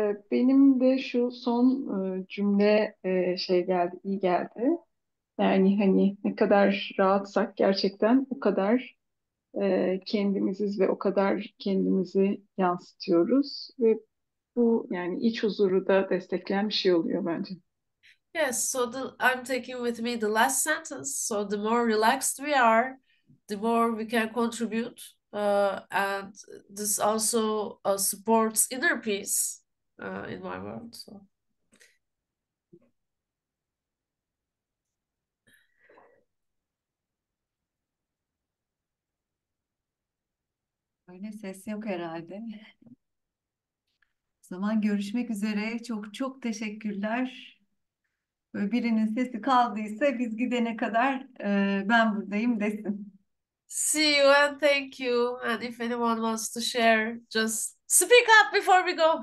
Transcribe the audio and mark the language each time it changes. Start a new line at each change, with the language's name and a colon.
Turkish: Benim de şu son cümle şey geldi, iyi geldi. Yani hani ne kadar rahatsak gerçekten o kadar kendimiziz ve o kadar kendimizi yansıtıyoruz ve bu yani iç huzuru da destekleyen bir şey oluyor bence.
English: Yes, so I'm taking with me the last sentence. So the more relaxed we are, the more we can contribute. And this also supports inner peace in my world. So.
Turkish: Öyle. Öyle ses yok herhalde. O zaman görüşmek üzere. Çok çok teşekkürler. Böyle birinin sesi kaldıysa biz gidene kadar ben buradayım desin.
English: See you and thank you. And if anyone wants to share, just speak up before